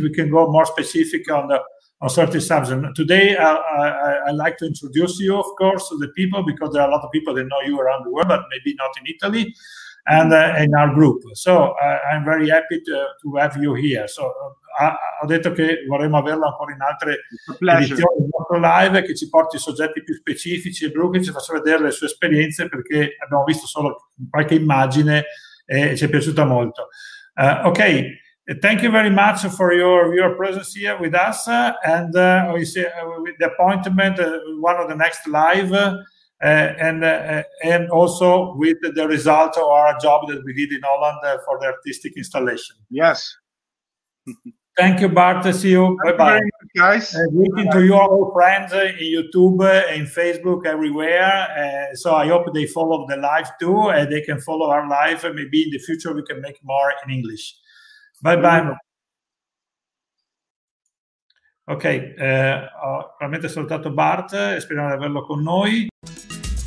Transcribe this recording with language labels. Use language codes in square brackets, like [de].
[en] We can go more specific on certain subjects. Today, I'd like to introduce you, of course, to the people, because there are a lot of people that know you around the world, but maybe not in Italy, and in our group. So I'm very happy to have you here. So. [it] Ho detto che vorremmo averlo ancora in altre edizioni del nostro live, che ci porti soggetti più specifici e blu, che ci faccia vedere le sue esperienze, perché abbiamo visto solo qualche immagine e ci è piaciuta molto. [en] Okay, thank you very much for your presence here with us, and we see with the appointment one of the next live, and also with the result of our job that we did in Holland for the artistic installation. Yes. Thank you, Bart. See you. Bye bye. Thank you very much, guys. Greeting to your old friends in YouTube, in Facebook, everywhere. So I hope they follow the live too, and they can follow our live. Maybe in the future we can make more in English. Bye bye. [it] Okay. Veramente salutato Bart. Speriamo di averlo con noi.